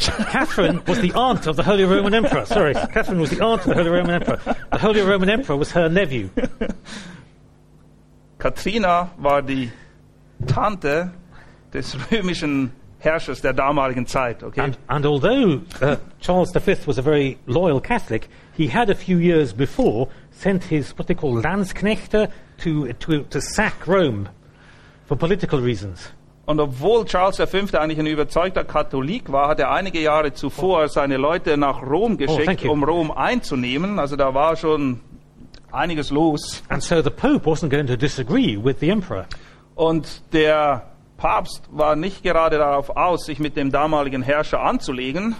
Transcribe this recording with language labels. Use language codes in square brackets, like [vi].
[en] Catherine was the aunt of the Holy Roman Emperor. Sorry, Catherine was the aunt of the Holy Roman Emperor. The Holy Roman Emperor was her nephew. [de] Katharina war die Tante des römischen Herrschers der damaligen Zeit. Okay. [en] And although Charles V was a very loyal Catholic, he had a few years before sent his what they call Landsknechte to sack Rome. For political reasons. [de] Und obwohl Charles V. eigentlich ein überzeugter Katholik war, hat er einige Jahre zuvor seine Leute nach Rom geschickt, um Rom einzunehmen. Also da war schon einiges los. [en] And so the Pope wasn't going to disagree with the Emperor. [de] Und der Papst war nicht gerade darauf aus, sich mit dem damaligen Herrscher anzulegen.